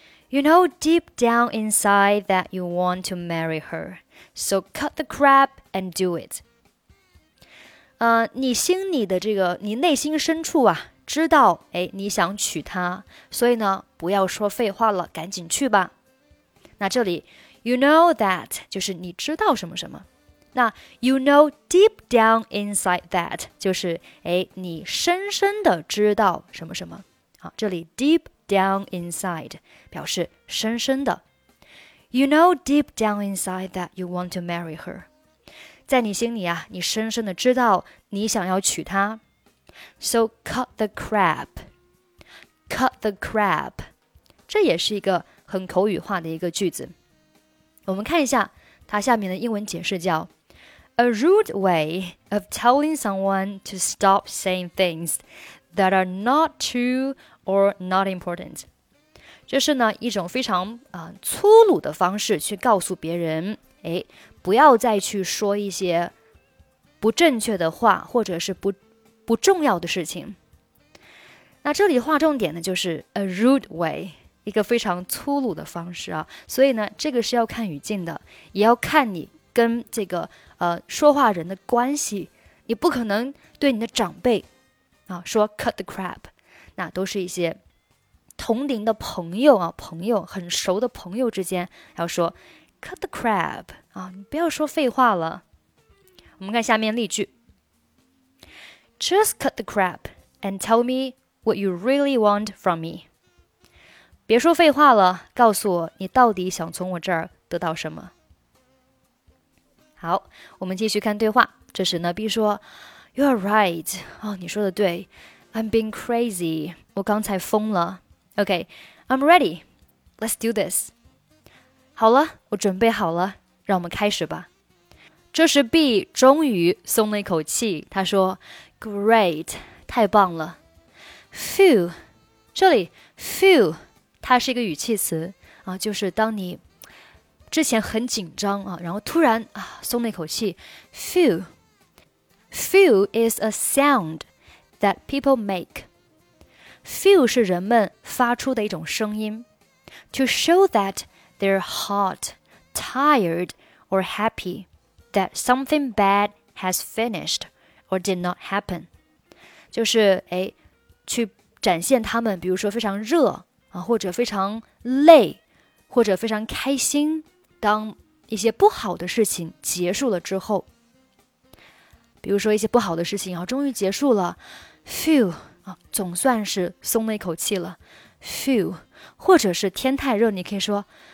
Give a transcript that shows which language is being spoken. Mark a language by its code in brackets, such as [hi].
[en] You know deep down inside that you want to marry her. So cut the crap and do it. [zh] 你心里的这个，你内心深处啊知道，哎，你想娶她，所以呢，不要说废话了，赶紧去吧。那这里 ， [en] you know that [zh] 就是你知道什么什么。那 [en] you know deep down inside that [zh] 就是哎，你深深的知道什么什么。好，这里 [en] deep down inside [zh] 表示深深的。 [en] You know deep down inside that you want to marry her， [zh] 在你心里啊，你深深的知道你想要娶她。 [en] So cut the crap. Cut the crap. [zh] 这也是一个很口语化的一个句子。我们看一下它下面的英文解释叫 [en] A rude way of telling someone to stop saying things that are not true or not important. [zh] 就是呢一种非常粗鲁的方式去告诉别人，哎，不要再去说一些不正确的话或者是不重要的事情。那这里划重点呢，就是 [en] a rude way， [zh] 一个非常粗鲁的方式啊。所以呢，这个是要看语境的，也要看你跟这个说话人的关系。你不可能对你的长辈啊说 [en] cut the crap， [zh] 那都是一些同龄的朋友啊，朋友很熟的朋友之间要说 cut the crap 啊，你不要说废话了。我们看下面例句。 [en] Just cut the crap and tell me what you really want from me. [zh] 别说废话了，告诉我你到底想从我这儿得到什么。好，我们继续看对话。这时呢 B 说 [en] You are right. [zh] 哦，你说的对。 [en] I'm being crazy. [zh] 我刚才疯了。 [en] OK, I'm ready. Let's do this. [zh] 好了，我准备好了，让我们开始吧。这时 B 终于松了一口气，他说 [en] Great, [zh] 太棒了。 Phew, 这里 Phew, 它是一个语气词啊，就是当你之前很紧张啊，然后突然啊松了一口气。Phew, [en] Phew is a sound that people make. [zh] Phew 是人们发出的一种声音。 [en] To show that they're hot, tired, or happy, that something bad has finished. Or did not happen. [zh] 就是哎，去展现他们，比如说非常热啊，或者非常累，或者非常开心，当一些不好的事情结束了之后，比如说一些不好的事情啊，终于结束了 ，Phew 啊，总算是松了一口气了 ，Phew， 或者是天太热，你可以说